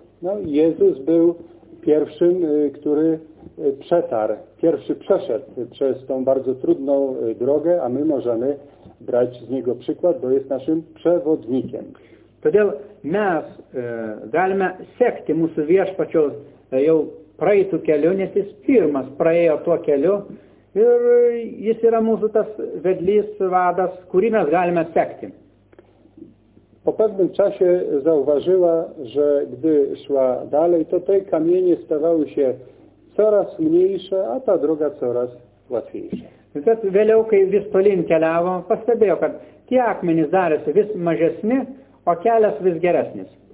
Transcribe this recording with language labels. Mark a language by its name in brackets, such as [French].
[Polish] No, [Lithuanian] Jėzus buvo pirmasis, kuris [Polish] przetarł, pierwszy przeszedł przez tą bardzo trudną drogę, a my możemy brać z niego przykład, bo jest naszym przewodnikiem. [Lithuanian] Todėl mes galime sekti mūsų viešpačio jau praeitų keliu, nes jis pirmas praėjo tuo keliu ir jis yra mūsų tas vedlys, vadas, kurį mes galime sekti. [Polish] Po pewnym czasie zauważyła, że gdy szła dalej, to te kamienie stawały się coraz mniejsze, a ta droga coraz łatwiejsza. [Lithuanian] Bet vėliau, kai vis tolin keliavo, pastebėjo, kad tie akmenys darėsi vis mažesni, o kelias vis geresnis.